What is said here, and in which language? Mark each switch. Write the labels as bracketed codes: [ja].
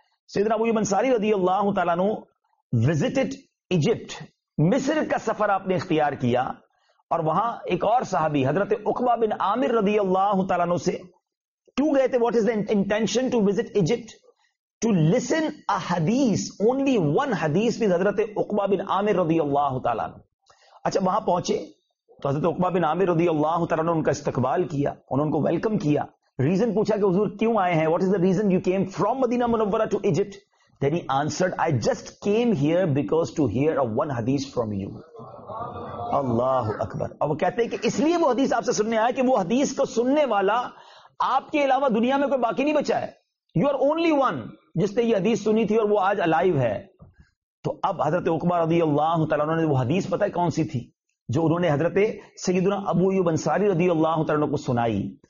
[ur] سیدنا ابو ایوب انصاری رضی اللہ تعالیٰ نے [en] visited Egypt, [ur] مصر کا سفر آپ نے اختیار کیا, اور وہاں ایک اور صحابی حضرت عقبہ بن عامر رضی اللہ تعالیٰ عنہ سے کیوں گئے تھے, [en] what is the intention to visit Egypt, to listen a حدیث, [ur] اونلی ون حدیث بھی حضرت عقبہ بن عامر رضی اللہ تعالیٰ عنہ. اچھا وہاں پہنچے تو حضرت عقبہ بن عامر رضی اللہ تعالیٰ عنہ ان کا استقبال کیا, انہوں ان کو ویلکم کیا, ریزن پوچھا کہ حضور کیوں آئے ہیں, [en] What is the reason you came from مدینہ منورہ to Egypt. Then he answered, I just came here because to hear a one hadith from you. [ar] Allahu Akbar. [ur] اور وہ کہتے ہیں کہ اس لیے وہ حدیث آپ سے سننے آیا کہ وہ حدیث کو سننے والا آپ کے علاوہ دنیا میں کوئی باقی نہیں بچا ہے. [en] You are only one [ur] جس نے یہ حدیث سنی تھی اور وہ آج alive ہے. تو اب حضرت عقبہ رضی اللہ تعالیٰ عنہ نے وہ حدیث پتا ہے کون سی تھی جو انہوں نے حضرت سیدنا ابو ایوب انصاری رضی اللہ تعالیٰ عنہ کو سنائی.